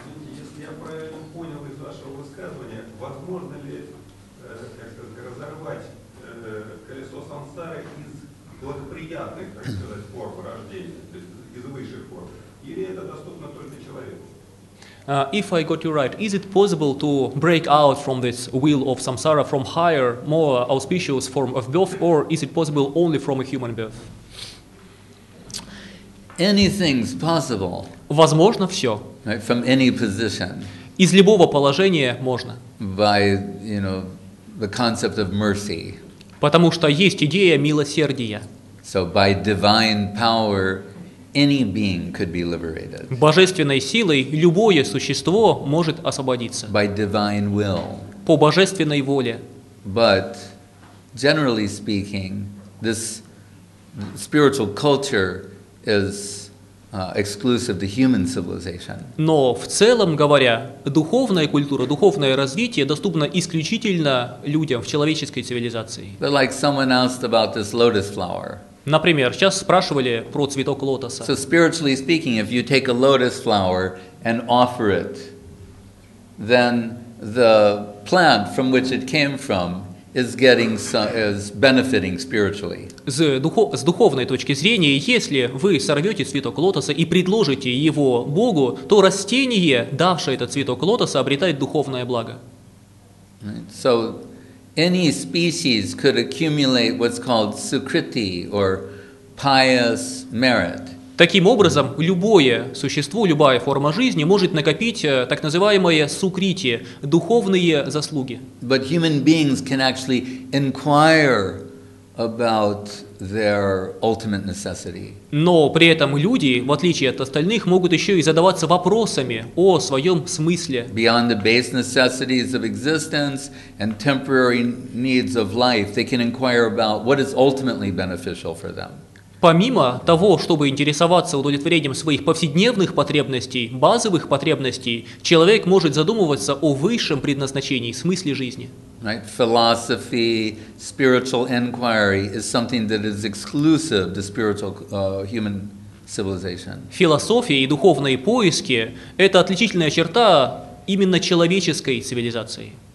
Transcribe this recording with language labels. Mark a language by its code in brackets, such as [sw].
[ru] Если я правильно понял из вашего высказывания, возможно ли, как сказать, разорвать колесо сансары из благоприятных, так сказать, форм рождения, то есть из высших форм, или это доступно только человеку? [en] If I got you right, is it possible to break out from this wheel of samsara from higher, more auspicious form of birth, or is it possible only from a human birth? Anything's possible. [ru] Возможно все. [en] Right, from any position. [ru] Из любого положения можно. [en] By, you know, the concept of mercy. [ru] Потому что есть идея милосердия. [en] So by divine power, any being could be liberated. [ru] Божественной силой любое существо может освободиться. [en] By divine will. [ru] По божественной воле. [en] But generally speaking, this spiritual culture is exclusive to human civilization. [ru] Но в целом говоря, духовная культура, духовное развитие доступно исключительно людям в человеческой цивилизации. [en] But like someone asked about this lotus flower. [ru] Например, сейчас спрашивали про цветок лотоса. [en] So spiritually speaking, if you take a lotus flower and offer it, then the plant from which it came from is benefiting spiritually. [ru] С духовной точки зрения, если вы сорвете цветок лотоса и предложите его Богу, то растение, давшее этот цветок лотоса, обретает духовное благо. [en] Right. So any species could accumulate what's called sukriti or pious merit. [ru] Таким образом, любое существо, любая форма жизни может накопить так называемые сукрити, духовные заслуги. [en] But human beings can actually inquire about their ultimate necessity. [ru] Но при этом люди, в отличие от остальных, могут еще и задаваться вопросами о своем смысле. [en] Beyond the base necessities of existence and temporary needs of life, they can inquire about what is ultimately beneficial for them. [ru] Помимо того, чтобы интересоваться удовлетворением своих повседневных потребностей, базовых потребностей, человек может задумываться о высшем предназначении, смысле жизни. [en] Right? Philosophy, spiritual inquiry is something that is exclusive to spiritual human civilization. [ru] Философия и духовные поиски – это отличительная черта именно человеческой цивилизации.